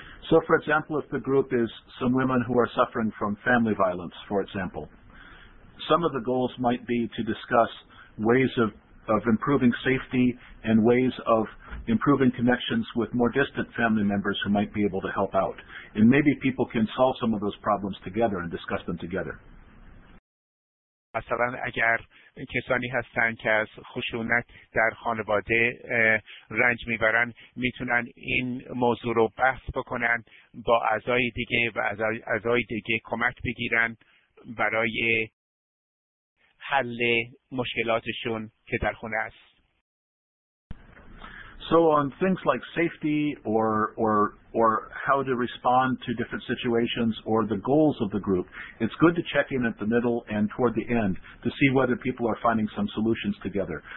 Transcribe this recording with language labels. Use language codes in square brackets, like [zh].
[en] So for example, if the group is some women who are suffering from family violence, for example, some of the goals might be to discuss ways of improving safety and ways of improving connections with more distant family members who might be able to help out. And maybe people can solve some of those problems together and discuss them together. [fa] مثلا اگر کسانی هستند که از خشونت در خانواده رنج میبرن، میتونن این موضوع رو بحث بکنن با اعضای دیگه و اعضای دیگه کمک بگیرن برای حل مشکلاتشون که در خونه است. [en] So on things like safety or how to respond to different situations or the goals of the group, it's good to check in at the middle and toward the end to see whether people are finding some solutions together.